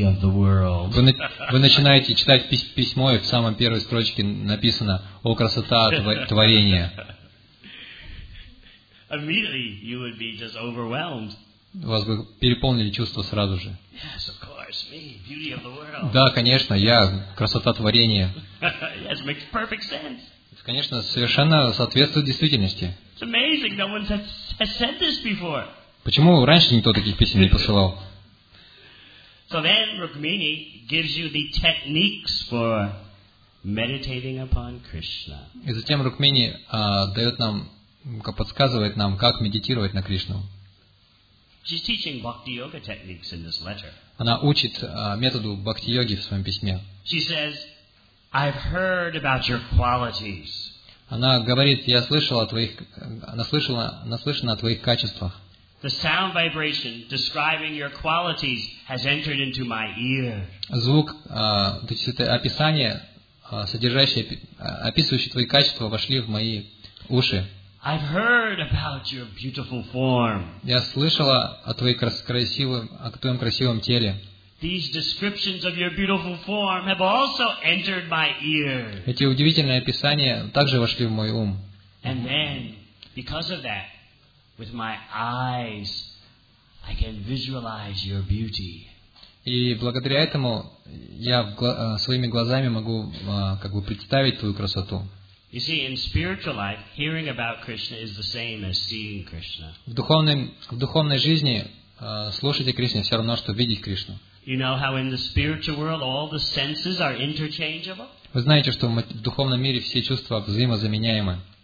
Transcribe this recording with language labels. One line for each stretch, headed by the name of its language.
Russian: Вы начинаете читать письмо, и в самой первой строчке написано «О, красота творения».
English: Immediately you would be just overwhelmed.
Russian: Вас бы переполнили чувства сразу же.
English: Yes, of course, me, beauty of the world.
Russian: Да, конечно, я, красота творения.
English: Yes, it makes perfect sense.
Russian: Конечно, совершенно соответствует действительности.
English: It's amazing, no one has said this before.
Russian: Почему раньше никто таких писем не посылал?
English: So then Rukmini gives you the techniques for meditating upon Krishna.
Russian: И затем Рукмини дает нам, подсказывает нам, как медитировать на Кришну.
English: She's teaching bhakti yoga techniques in this letter.
Russian: Она учит методу бхакти йоги в своем письме.
English: She says, "I've heard about your qualities."
Russian: Она говорит, я слышала о твоих, наслышана о твоих качествах.
English: The sound vibration describing your qualities has entered into my ear.
Russian: Звук, то есть это описание, содержащее, описывающее твои качества, вошли в мои уши.
English: I've heard about your beautiful form.
Russian: Я слышала о твоей красивом, о твоем красивом теле.
English: These descriptions of your beautiful form have also entered my ear.
Russian: Эти удивительные описания также вошли в мой ум.
English: And then, because of that, with my eyes, I can visualize your beauty.
Russian: И благодаря этому я своими глазами могу как бы представить твою красоту.
English: You see, in spiritual life, hearing about Krishna is the same as seeing Krishna.
Russian: В духовной жизни слушать о Кришне все равно, что видеть Кришну.
English: You know how in the spiritual world all the senses are interchangeable?
Russian: Вы знаете, что в духовном мире все чувства взаимозаменяемы.